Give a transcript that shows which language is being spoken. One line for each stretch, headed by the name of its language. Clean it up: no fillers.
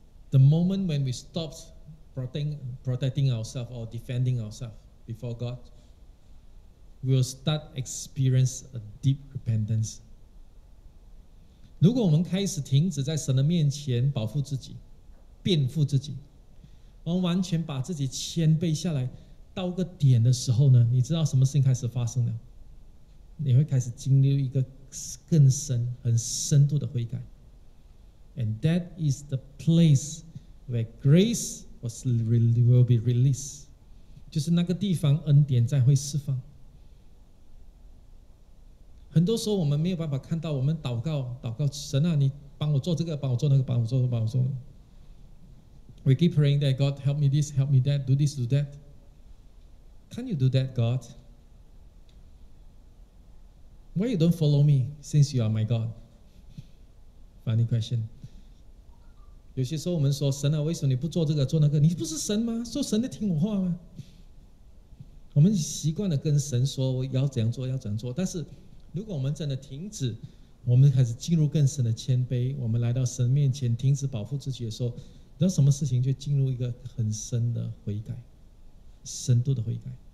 English: The moment when we stopped protecting ourselves or defending ourselves before God, we will start experience a deep repentance.
Chinese: 如果我们开始停止在神的面前保护自己，辩护自己，我们完全把自己谦卑下来到个点的时候呢，你知道什么事情开始发生了？你会开始经历一个更深、很深度的悔改。
English: And that is the place where grace will be released.
Chinese: 就是那个地方恩典再会释放。很多时候我们没有办法看到，我们祷告祷告，神啊，你帮我做这个，帮我做那个，帮我做这个，帮我做那个。
English: We keep praying that God help me this, help me that, do this, do that. Can you do that, God? Why you don't follow me since you are my God? Funny question.
Chinese: 有些时候我们说，神啊，为什么你不做这个做那个？你不是神吗？说神的听我话吗？我们习惯了跟神说我要怎样做，要怎样做，但是。如果我们真的停止，我们开始进入更深的谦卑，我们来到神面前停止保护自己的时候，那什么事情就进入一个很深的悔改，深度的悔改。